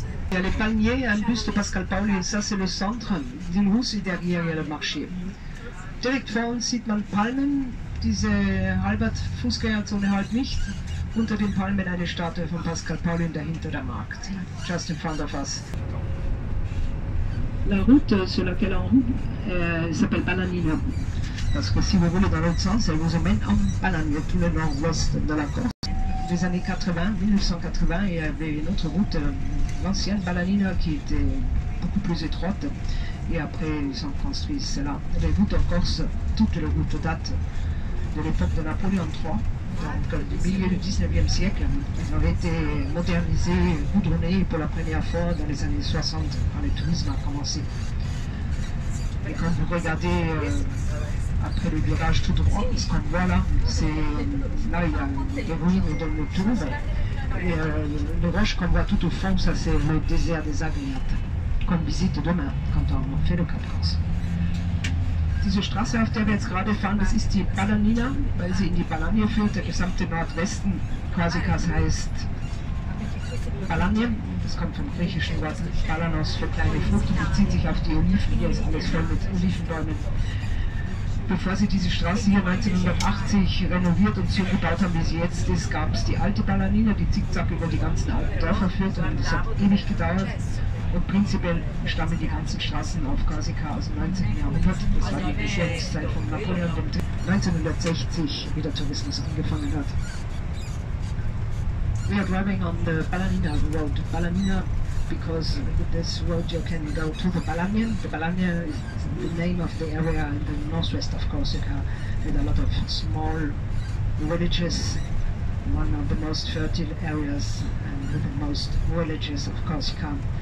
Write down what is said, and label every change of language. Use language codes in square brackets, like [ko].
[fr] Il y a les palmiers, un buste de Pascal Paoli, et ça c'est le centre d'Ilrousse et derrière il y a le marché. [de] Direkt vor uns sieht man Palmen, diese Albert-Fußgängerzone halt nicht. Unter den Palmen eine Statue von Pascal Paoli, dahinter der Markt. [en] Just in front of us. [fr] La route sur laquelle on roule s'appelle Balanina. parce que si vous roulez dans l'autre sens, elle vous emmène en Palagne, tout le nord-ouest de la Corse. Des années 80, 1980, il y avait une autre route, l'ancienne Balanina, qui était beaucoup plus étroite. Et après, ils ont construit cela. Les routes en Corse, toutes les routes datent de l'époque de Napoléon III, donc du milieu du 19e siècle. Elles avaient été modernisées, goudronnées pour la première fois dans les années 60, quand le tourisme a commencé. Et quand vous regardez après le virage tout droit, ce qu'on voit là, c'est là il y a des ruines dans le tour. Et le roche qu'on voit tout au fond, ça c'est le désert des Agriates, qu'on visite demain quand on fait le Cap Corse. [de] Diese Straße, auf der wir jetzt gerade fahren, das ist die Palanina, weil sie in die Palagne führt, der gesamte Nordwesten. Korsikas heißt Palagne, das kommt vom griechischen Wort Palanos für kleine Frucht und bezieht sich auf die Oliven, hier ist alles voll mit Olivenbäumen. Bevor sie diese Straße hier 1980 renoviert und zugebaut haben, wie sie jetzt ist, gab es die alte Palanina, die zickzack über die ganzen alten Dörfer führt und das hat ewig gedauert. Und prinzipiell stammen die ganzen Straßen auf Korsika aus dem 19. Jahrhundert. Das war die Regierungszeit von Napoleon, der 1960 wieder Tourismus angefangen hat. [en] We are driving on the Palanina Road. Palanina, because with this road you can go to the Palagne. The Palagne is the name of the area in the northwest of Corsica, with a lot of small villages, one of the most fertile areas and with the most villages of Corsica.